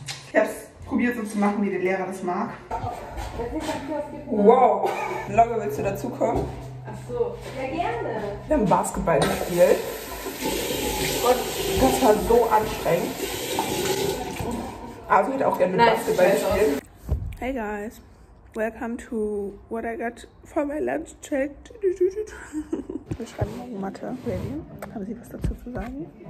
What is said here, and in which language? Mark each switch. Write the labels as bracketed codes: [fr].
[de] Ich habe es probiert, so zu machen, wie der Lehrer das mag. Wow, Logge, willst du dazukommen? Ach so, ja gerne. Wir haben Basketball gespielt und das war so anstrengend. Also ich hätte auch gerne mit Basketball gespielt. [en] Hey guys, welcome to what I got for my lunch check. [de] Wir schreiben morgen Mathe. Ready? Haben Sie was dazu zu sagen?